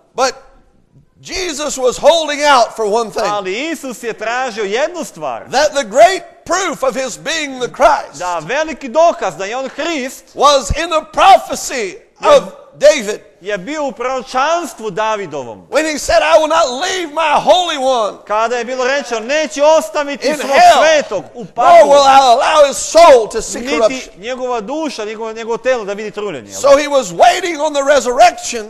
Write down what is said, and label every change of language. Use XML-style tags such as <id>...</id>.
<en>But Jesus was holding out for one thing.</en> <sr>Ali Isus je tražio jednu stvar.</sr> <en>That the great proof of his being the Christ</en> <sr>da veliki dokaz da je on Hrist</sr> <en>was in the prophecy of David.</en> <sr>Je bio u proročanstvu Davidovom.</sr> <en>When he said, I will not leave my holy one.</en> <sr>Kada je bilo rečeno, neću ostaviti svog svetog u paklu.</sr> <en>Nor will I allow his soul to see corruption.</en> <sr>Niti njegova duša, njegovo telo da vidi truljenje.</sr> <en>So he was waiting on the resurrection.</en>